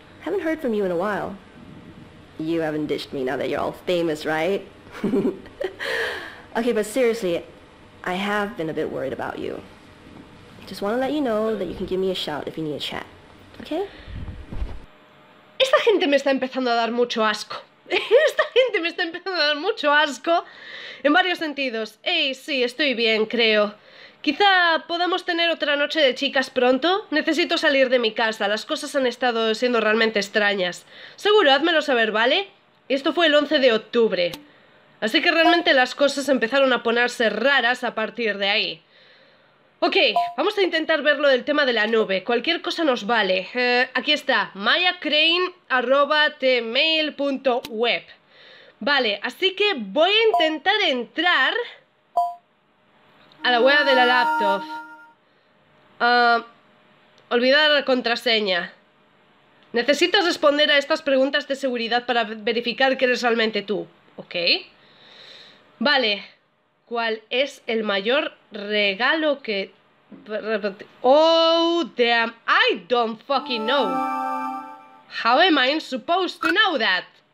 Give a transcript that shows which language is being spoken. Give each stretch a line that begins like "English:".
English: Haven't heard from you in a while. You haven't ditched me now that you're all famous, right? Okay, but seriously, I have been a bit worried about you. Just want to let you know that you can give me a shout if you need a chat. Okay?
Spanish: Esta gente me está empezando a dar mucho asco. Esta gente me está empezando a dar mucho asco en varios sentidos. Hey, sí, estoy bien, creo. Quizá podamos tener otra noche de chicas pronto. Necesito salir de mi casa. Las cosas han estado siendo realmente extrañas. Seguro, házmelo saber, ¿vale? Esto fue el 11 de octubre. Así que realmente las cosas empezaron a ponerse raras a partir de ahí. Ok, vamos a intentar ver lo del tema de la nube. Cualquier cosa nos vale. Aquí está, mayacrane@tmail.web. Vale, así que voy a intentar entrar a la web de la laptop. Olvidar la contraseña. Necesitas responder a estas preguntas de seguridad para verificar que eres realmente tú. Ok. Vale. ¿Cuál es el mayor regalo que...
English: Oh, damn, I don't fucking know. How am I supposed to know that?